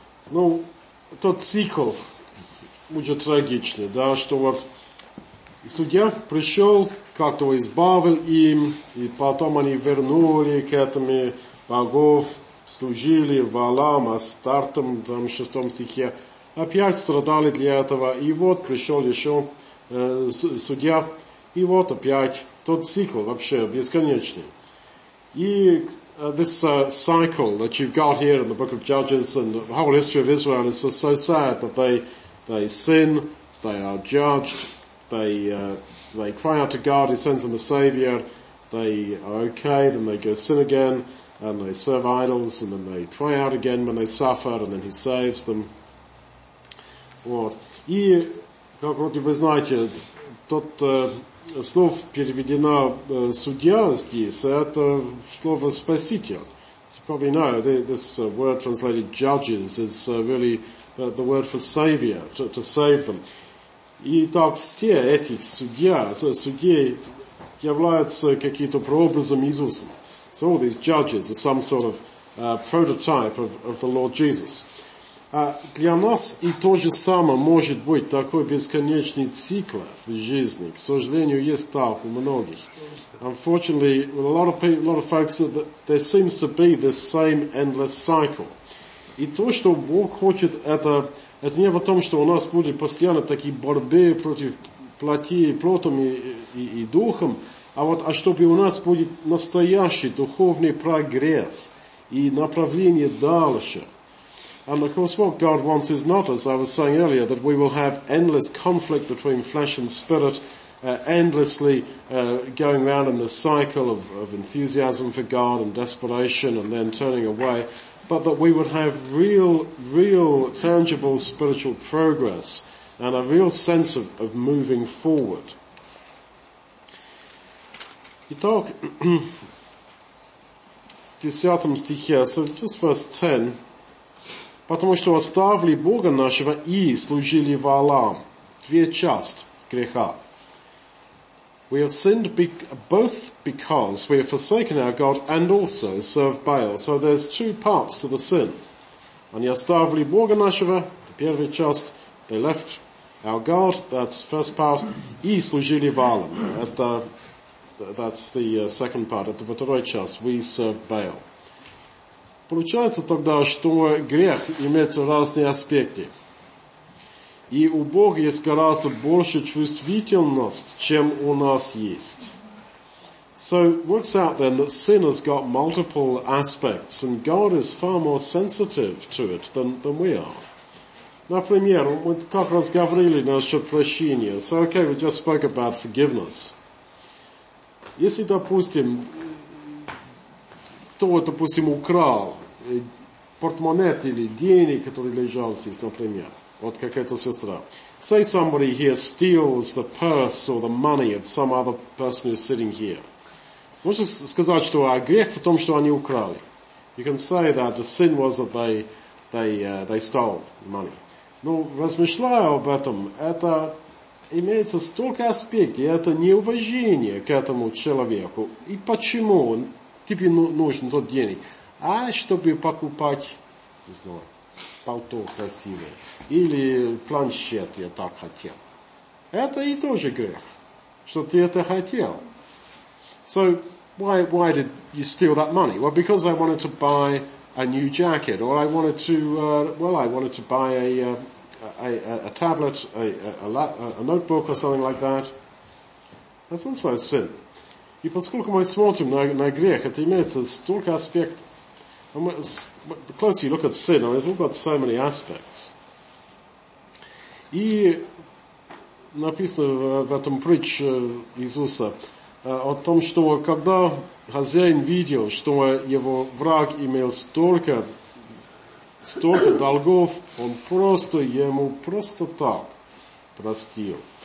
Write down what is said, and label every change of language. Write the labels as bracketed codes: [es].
[ru] Ну, тот цикл уже трагичный, да, что вот судья пришел, как-то избавил им, и потом они вернули к этому богов, служили Валам, Астартам, там, в 6 стихе, опять страдали для этого, и вот пришел еще судья, и вот опять тот цикл вообще бесконечный. [en] И this cycle that you've got here in the book of Judges and the whole history of Israel is just so sad that they sin, they are judged, they cry out to God, he sends them a savior, they are okay, then they go sin again, and they serve idols, and then they cry out again when they suffer, and then he saves them. [ru] Вот. И, как вроде вы знаете, тот... Слово переведено судья здесь, это слово спаситель. [en] So you probably know this word translated judges is really the word for savior, to save them. [ru] И так все эти судьи являются какие-то прообразом Иисуса. [en] So all these judges are some sort of prototype of the Lord Jesus. [ru] А для нас и то же самое может быть такой бесконечный цикл в жизни. К сожалению, есть так у многих. [en] Unfortunately, with a lot of folks, there seems to be this same endless cycle. [ru] И то, что Бог хочет, это не в том, что у нас будет постоянно такие борьбы против плоти, плотом и духом, а чтобы у нас будет настоящий духовный прогресс и направление дальше. [en] And of course, what God wants is not, as I was saying earlier, that we will have endless conflict between flesh and spirit, endlessly going round in the cycle of enthusiasm for God and desperation and then turning away, but that we would have real, real tangible spiritual progress and a real sense of moving forward. You talk, [ru] 10 стихе, [en] so just verse 10, [ru] потому что оставили Бога нашего и служили Валам. Две части греха. [en] We have sinned both because we have forsaken our God and also served Baal. So there's two parts to the sin. [ru] Они оставили Бога нашего, the первая часть, [en] they left our God, that's the first part, [ru] и служили Валам. [en] That's the second part, [ru] это вторая часть, [en] we served Baal. [ru] Получается тогда, что грех имеется в разные аспекты. И у Бога есть гораздо больше чувствительность, чем у нас есть. [en] So it works out then that sin has got multiple aspects, and God is far more sensitive to it than we are. [ru] Например, мы как раз говорили насчет прощения. [en] So okay, we just spoke about forgiveness. [ru] Если, допустим, кто украл портмоне или деньги, которые лежали здесь, например, вот какая-то сестра. [en] Say somebody here steals the purse or the money of some other person who's sitting here. [ru] Можно сказать, что грех в том, что они украли. [en] You can say that the sin was that they stole money. [ru] Но размышляя об этом, это имеется столько аспектов, и это неуважение к этому человеку. И почему тебе нужен тот денег? А чтобы покупать, не знаю, пальто красивое, или планшет я так хотел. Это и тоже грех, что ты это хотел. [en] So, why did you steal that money? Well, because I wanted to buy a new jacket, or I wanted to, I wanted to buy a tablet, a notebook or something like that. That's also a sin. [ru] И поскольку мы смотрим на грех, это имеется столько аспектов. [en] And the closer you look at sin, I mean, it's all got so many aspects. [ru] И написано в этом притч Иисуса о том, что когда хозяин видел, что его враг имел столько долгов, он просто ему просто так простил.